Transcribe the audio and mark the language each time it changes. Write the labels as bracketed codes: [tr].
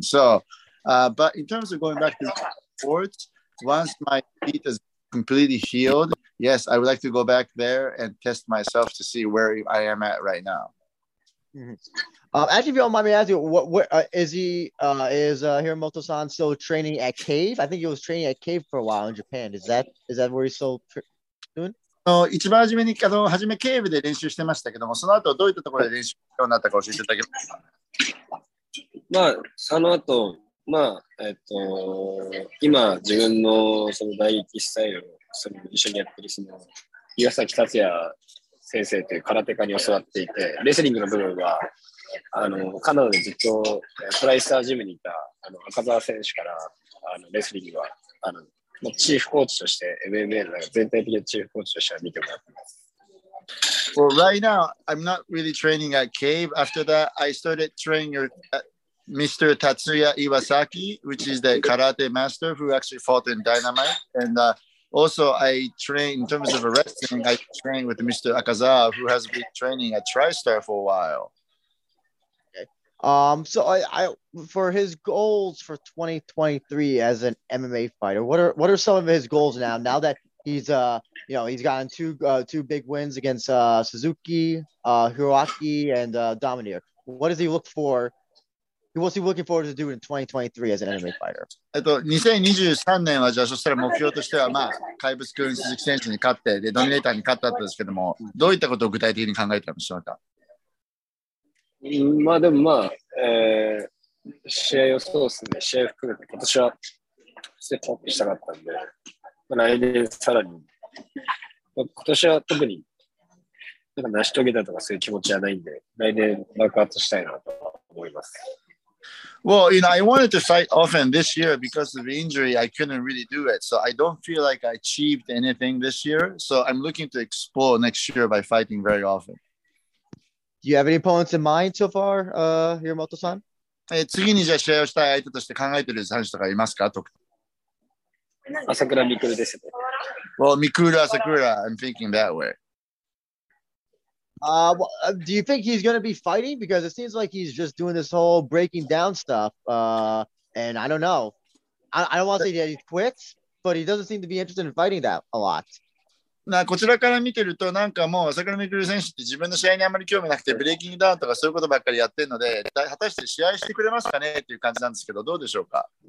[en] So, but in terms of going back to sports, once my feet is completely healed,Yes, I would like to go back there and test myself to see where I am at right now. Mm-hmm. Actually, if you don't mind me asking, is Hiramoto-san still training at Cave? I think he was training at Cave for a while in Japan. Is that where he's still doing? [ja] No, 一番初めに、初めCaveで練習してましたけども、その後どういったところで練習しようになったか教えていただけますか？まあ、その後、まあ、今自分のその第一スタイルをその一緒にやってるその岩崎達也先生という空手家に教わっていて、レスリングの部分はあのカナダでずっとトライスタージムにいたあの赤澤選手からあのレスリングはあのチーフコーチとして MMA の全体的なチーフコーチとしては見てもらってます。 [en] Well, right now I'm not really training at Cave. After that I started training Mr. Tatsuya Iwasaki, which is the karate master who actually fought in Dynamite andAlso, I train in terms of wrestling. I train with Mr. Akazawa, who has been training at TriStar for a while. Okay. So I for his goals for 2023 as an MMA fighter, what are some of his goals now? Now that he's he's gotten two big wins against Suzuki, Hiroaki, and Dominier. What does he look for? What's he looking forward to doing in 2023 as an MMA fighter? [ja] 2023年はじゃあそしたら目標としては、まあ、怪物くん鈴木選手に勝って、で、ドミネーターに勝ったんですけども、どういったことを具体的に考えてるんでしょうか？まあでもまあ、試合をそうですね、試合含めて今年はステップアップしたかったんで、まあ、来年さらに、まあ、今年は特になんか成し遂げたとかそういう気持ちはないんで、来年爆発したいなと思います。 [en] Well, you know, I wanted to fight often this year because of the injury. I couldn't really do it. So I don't feel like I achieved anything this year. So I'm looking to explore next year by fighting very often. Do you have any opponents in mind so far, Hiramoto-san? [ja] 次にじゃあ試合をしたい相手として考えている選手とかいますか？朝倉未来です。 [en] Well, Mikura Asakura, I'm thinking that way. Do you think he's going to be fighting? Because it seems like he's just doing this whole breaking down stuff. And I don't know. I don't want to say that he quits, but he doesn't seem to be interested in fighting that a lot. [ja] こちらから見てると、なんかもう朝倉未来選手って自分の試合にあまり興味なくて、ブレイキングダウンとかそういうことばっかりやってるので、果たして試合してくれますかねっていう感じなんですけど、どうでしょうか？